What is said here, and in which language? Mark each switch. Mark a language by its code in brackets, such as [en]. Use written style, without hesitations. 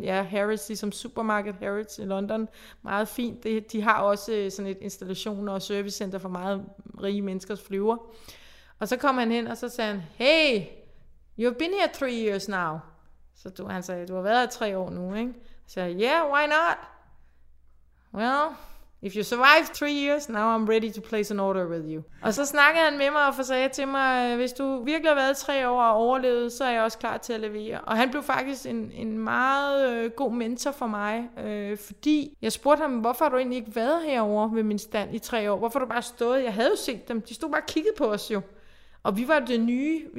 [da] Ja, Harris, ligesom supermarked Harris i London. Meget fint. De har også sådan et installation og servicecenter for meget rige menneskers flyver. Og så kom han hen, og så sagde han, [en] hey, you've been here 3 years now. [da] Så han sagde, du har været her 3 år nu, ikke? Så sagde, [en] yeah, why not? Well, if you survive 3 years, now I'm ready to place an order with you. [da] Og så snakkede han med mig og sagde til mig, hvis du virkelig har været 3 år og overlevet, så er jeg også klar til at levere. Og han blev faktisk en meget god mentor for mig, fordi jeg spurgte ham, hvorfor har du egentlig ikke været herovre ved min stand i 3 år? Hvorfor har du bare stået? Jeg havde jo set dem. De stod bare og kiggede på os jo. Og vi var det nye.